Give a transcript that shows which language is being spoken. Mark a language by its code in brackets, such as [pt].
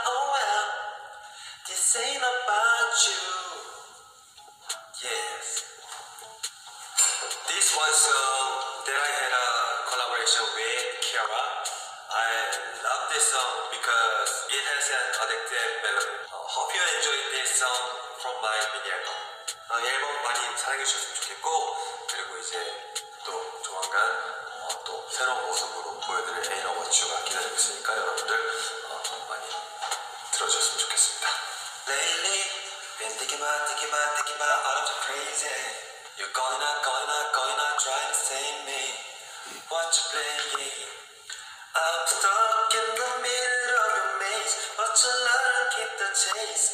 [en] Oh well, this ain't about you. Yes. This one song that I had a collaboration with Kiara. I love this song because it has an addictive melody. Hope you enjoy this song from my mini album. [ko] 앨범 많이 사랑해 주셨으면 좋겠고 그리고 이제 또 조만간 또 새로운 모습으로 보여드릴 에이너 워츄가 기다리고 있으니까 여러분들 많이 들어주셨으면 좋겠습니다. [en] Lately been thinking about all of the crazy. You're gonna try to save me. What you playing? I'm stuck in the middle of your maze. But you love to keep the chase.